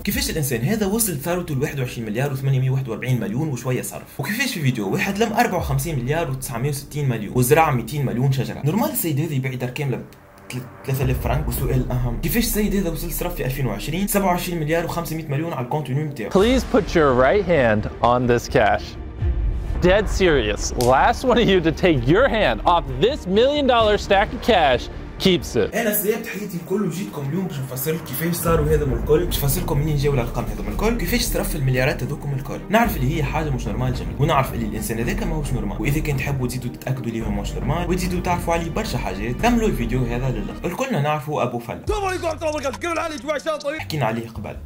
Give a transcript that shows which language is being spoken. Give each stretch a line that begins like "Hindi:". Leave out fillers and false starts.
Arabic: كيفاش الانسان هذا وصل ثروته ل 21 مليار و841 مليون وشويه صرف، وكيفاش في فيديو واحد لم 54 مليار و960 مليون وزرع 200 مليون شجره؟ نورمال السيد هذا يبيع دار كامله 3000 فرانك. وسؤال اهم، كيفاش السيد هذا وصل صرف في 2020 27 مليار و500 مليون على الكونت نتاعو؟
English: Please put your right hand on this cash. Dead serious. Last one of you to take your hand off this million-dollar stack of cash keeps it.
Arabic: أنا سيبت حياتي الكل وجيتكم اليوم باش نفسر لكم كيفاش صاروا هذا من الكل، باش نفسر لكم منين جاوا الأرقام هذوما الكل، كيفاش صرف المليارات هذوكم الكل. نعرف اللي هي حاجة مش نورمال جميل، ونعرف اللي الإنسان هذاك ماهوش نورمال، وإذا كان تحبوا تزيدوا تتأكدوا ليه ماهوش نورمال، وتزيدوا تعرفوا عليه برشا حاجات، كملوا الفيديو هذا للآخر. الكلنا نعرفوا أبو فلة. حكينا عليه قبل.